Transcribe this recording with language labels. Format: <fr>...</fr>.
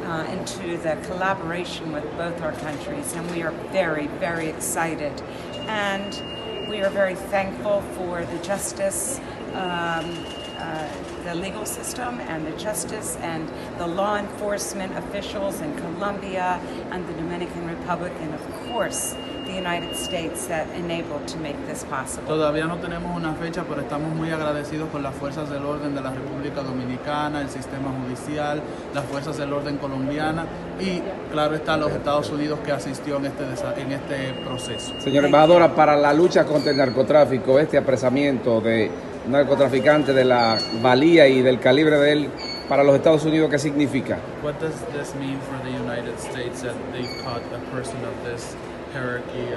<en>into the collaboration with both our countries, and we are very, very excited, and we are very thankful for the justice, the legal system, and the justice, and the law enforcement officials in Colombia and the Dominican Republic, and of course, the United States that enabled to make this possible.</en> <es>Todavía no tenemos una fecha, pero estamos muy agradecidos con las fuerzas del orden de la República Dominicana, el sistema judicial, las fuerzas del orden colombiana y claro está los Estados Unidos que asistió en este proceso. Señora embajadora, para la lucha contra el narcotráfico, este apresamiento de narcotraficante de la valía y del calibre de él para los Estados Unidos, ¿qué significa?</es> <en>What does this mean for the United States that they caught a person of this hierarchy?</en>